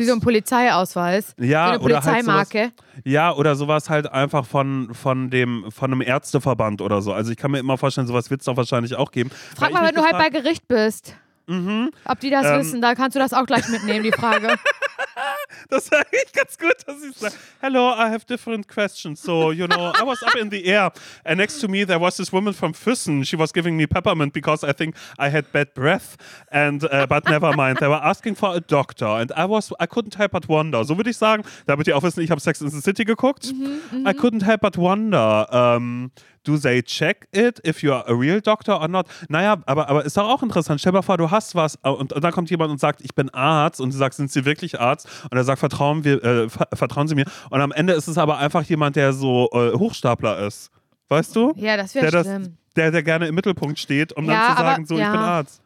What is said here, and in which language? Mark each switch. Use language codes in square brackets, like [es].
[de] Wie so ein Polizeiausweis? Ja, so eine Polizeimarke? Oder halt sowas, ja, oder sowas halt einfach von einem Ärzteverband oder so. Also ich kann mir immer vorstellen, sowas wird es doch wahrscheinlich auch geben. Frag mal, wenn du halt bei Gericht bist, ob die das wissen, da kannst du das auch gleich mitnehmen, die Frage. Das war eigentlich ganz gut, dass ich sage, [en] hello, I have different questions, so, you know, I was up in the air, and next to me there was this woman from Füssen, she was giving me peppermint because I think I had bad breath, and but never mind, they were asking for a doctor, and I couldn't help but wonder, [de] so würde ich sagen, damit ihr auch wissen, ich habe [en] Sex in the City geguckt, I couldn't help but wonder, do they check it, if you are a real doctor or not? [de] Naja, aber ist doch auch interessant. Stell dir mal vor, du hast was und dann kommt jemand und sagt, ich bin Arzt. Und du sagst, sind Sie wirklich Arzt? Und er sagt, vertrauen Sie mir. Und am Ende ist es aber einfach jemand, der so Hochstapler ist. Weißt du? Ja, das wäre schlimm. Der gerne im Mittelpunkt steht, um dann zu sagen, so, ich bin Arzt.